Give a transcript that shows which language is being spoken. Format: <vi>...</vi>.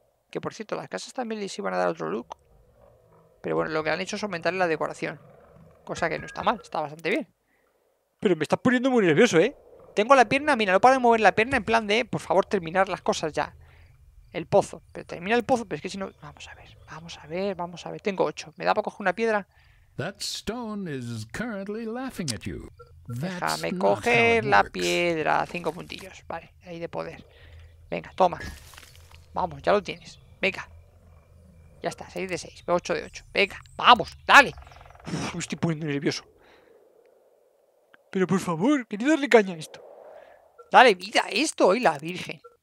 <es>Que por cierto, las casas también les iban a dar otro look. Pero bueno, lo que han hecho es aumentar la decoración. Cosa que no está mal, está bastante bien. Pero me estás poniendo muy nervioso, ¿eh? Tengo la pierna, mira, no paro de mover la pierna en plan de, por favor, terminar las cosas ya. El pozo, pero termina el pozo, pero es que si no... Vamos a ver. Tengo 8, me da para coger una piedra.</es> <en>That stone is currently laughing at you.</en> <es>Déjame coger la piedra. 5 puntillos, vale, ahí de poder. Venga, toma. Vamos, ya lo tienes, venga. Ya está, 6 de 6, 8 de 8. Venga, vamos, dale. Uf, me estoy poniendo nervioso. Pero por favor, quería darle caña a esto. Dale vida a esto, hoy la virgen.</es>